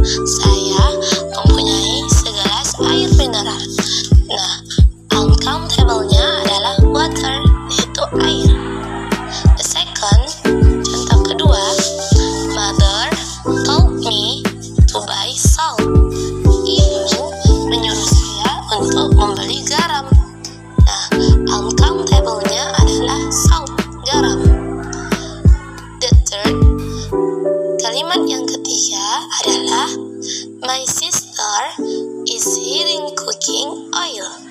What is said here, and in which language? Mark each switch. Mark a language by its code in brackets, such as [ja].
[id] Saya mempunyai segelas air mineral. Nah, uncountable-nya adalah water, yaitu air. [en] The second, [id] contoh kedua, [en] mother told me to buy salt. [id] Ibu menyuruh saya untuk membeli garam. Nah, uncountable-nya adalah salt, garam. Kalimat yang ketiga adalah [en] my sister is heating cooking oil.